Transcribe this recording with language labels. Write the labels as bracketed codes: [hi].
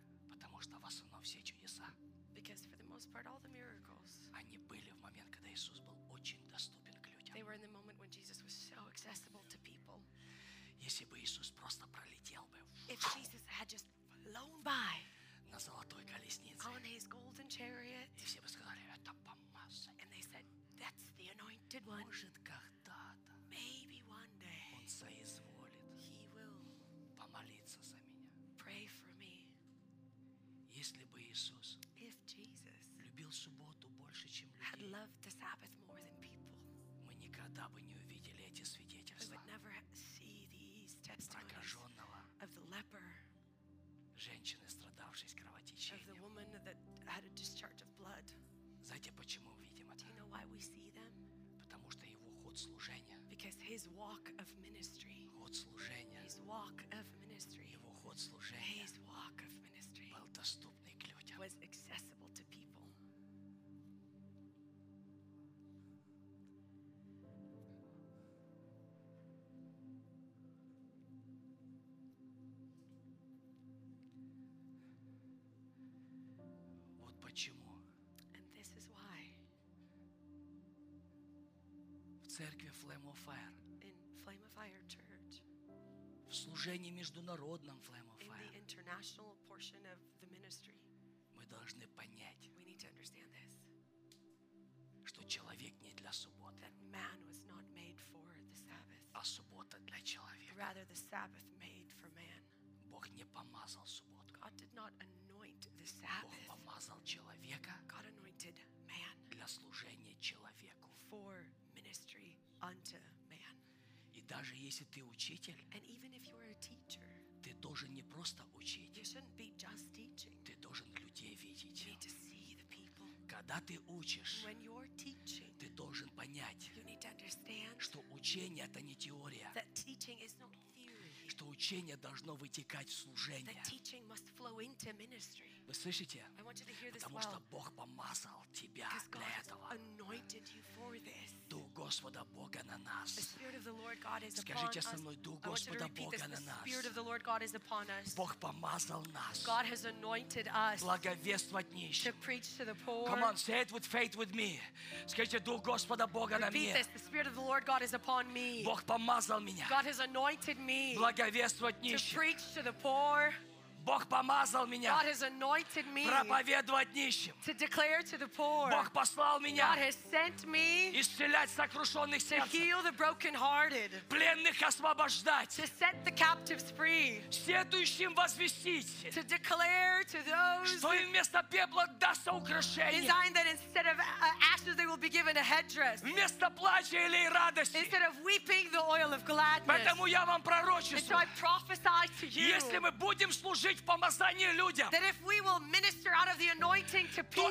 [ru] Потому что в основном все чудеса. [en] Because for the most part all the miracles. [ru] Они были в момент, когда Иисус был очень доступен к людям. [en] They were in the moment when Jesus was so accessible to people. [ru] Если бы Иисус просто пролетел бы. [en] If Jesus had just flown by. [ru] На золотой колеснице. [en] On his golden chariot. [ru] И все бы сказали, это помазание. [en] And they said, that's the anointed one. [ru] Может когда-то. [en] Maybe one day. [ru] Он соизволит. Помолиться за меня. [en] Pray for me. [ru] Если бы Иисус [en] if Jesus [ru] любил субботу больше, чем людей, [en] had loved the Sabbath more than people, [ru] мы никогда бы не увидели эти свидетельства. [en] We would never see these testimonies [ru] прокаженного [en] of the leper, [ru] женщины, страдавшей кровотечением, [en] of the woman that had a discharge of blood. [ru] Знаете, почему видим это? [en] Do you know why we see them? [ru] Потому что его ход служения. [en] Because his walk of ministry. [ru] Ход служения. [en] His walk of ministry. [ru] Его ход служения. [en] His walk of ministry. [ru] Был доступный к людям. [en] Was accessible to people. [ru] Вот почему. [en] And this is why. [ru] В церкви Flame of Fire. [en] In Flame of Fire Church. [ru] В служении международном Flame of Fire. [en] In the international portion of the ministry. [ru] Мы должны понять. [en] We need to understand this. [ru] Что человек не для субботы. [en] That man was not made for the Sabbath. [ru] А суббота для человека. [en] Rather the Sabbath made for man. [ru] Бог не помазал субботу. [en] God did not anoint the Sabbath. [ru] Бог помазал человека. [en] God anointed man. [ru] Для служения человеку. [en] For ministry unto man. [ru] И даже если ты учитель, [en] and even if you are a teacher, [ru] Ты должен не просто учить. [en] You shouldn't be just teaching. [ru] Ты должен людей видеть. [en] You need to see the people. [ru] Когда ты учишь, [en] when you're teaching, [ru] ты должен понять, [en] you need to understand, [ru] что учение это не теория. [en] That teaching is not theory. [ru] Что учение должно вытекать в служение. [en] That teaching must flow into ministry. [ru] Вы слышите? [en] I want you to hear this [ru] Потому [en] well. [ru] Что Бог помазал тебя [en] Because [ru] для [en] God's [ru] этого. [en] Anointed you for this. [ru] Дух Господа Бога на нас. [en] The Spirit of the Lord God is [ru] Скажите [en] upon [ru] со мной, Дух Господа Бога на нас. [en] The Spirit of the Lord God is upon us. [ru] Бог помазал нас. [en] God has anointed us [ru] благовествовать нищим. [en] To preach to the poor. Come on, say it with faith with me. [ru] Скажите, Дух Господа Бога на мне. [en] Repeat this, the Spirit of the Lord God is upon me. [ru] Бог помазал меня. [en] God has anointed me. [ru] Благовествовать нищим. [en] To preach to the poor. [ru] Бог помазал меня. [en] God has anointed me. [ru] Проповедовать нищим. [en] To declare to the poor. [ru] Бог послал меня. [en] God has sent me. [ru] Исцелять сокрушенных сердца. [en] To heal the brokenhearted. [ru] Пленных освобождать. [en] To set the captives free. [ru] Сетующим возвестить. [en] To declare to those. [ru] Что им вместо пепла дастся украшение. [en] In Zion that instead of ashes they will be given a headdress. [ru] Вместо плача или радости. [en] Instead of weeping the oil of gladness. [ru] Поэтому я вам пророчествую. [en] And so I prophesy to you. [ru] Если мы будем служить жить в помазании людям, [en] that if we will minister out of the anointing to people,